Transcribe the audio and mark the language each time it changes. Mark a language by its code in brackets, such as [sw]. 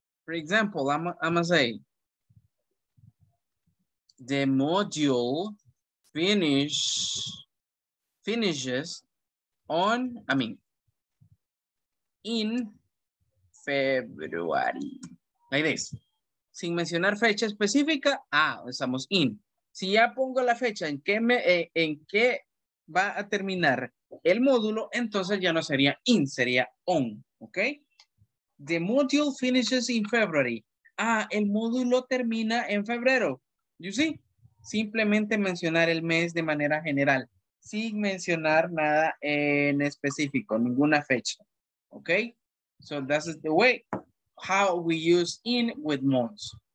[en] For example, I'm gonna say, the module finishes on, I mean, in February, like this. [es] Sin mencionar fecha específica, usamos in. Si ya pongo la fecha en qué va a terminar el módulo, entonces ya no sería in, sería on, ¿ok? [en] The module finishes in February. [es] El módulo termina en febrero. [en] You see? [es] Simplemente mencionar el mes de manera general, sin mencionar nada en específico, ninguna fecha, ¿ok? [en] So that's the way how we use in with months.